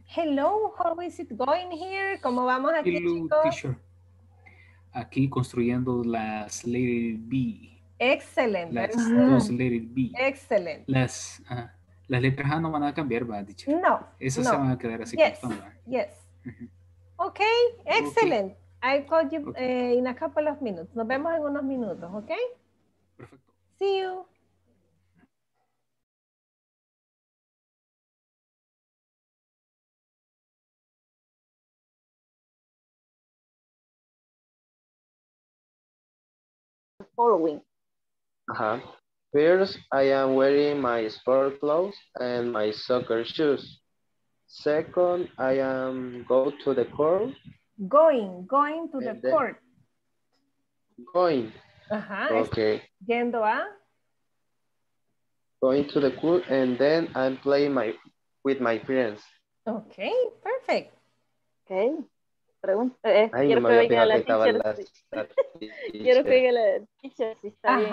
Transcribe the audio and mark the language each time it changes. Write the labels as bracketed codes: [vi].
[en] Hello, how is it going here? [es] ¿Cómo vamos aquí, [en] hello, [es] chicos? Teacher. Aquí construyendo las letter B. [en] Excellent. [es] Las dos letter B. [en] Excellent. [es] Las letras A no van a cambiar, ¿verdad, teacher? No. Esas no se van a quedar así. [en] Yes. Yes. Okay, excellent. Okay. I'll call you in a couple of minutes. Nos vemos en unos minutos, okay? Perfecto. See you. Following. First, I am wearing my sport clothes and my soccer shoes. Second, I am going to the court. Going to the court. Going. Okay. [es] Yendo a. [en] Going to the court and then I'm playing with my friends. Okay, perfect. Okay. [es] Quiero que diga la teacher si está bien.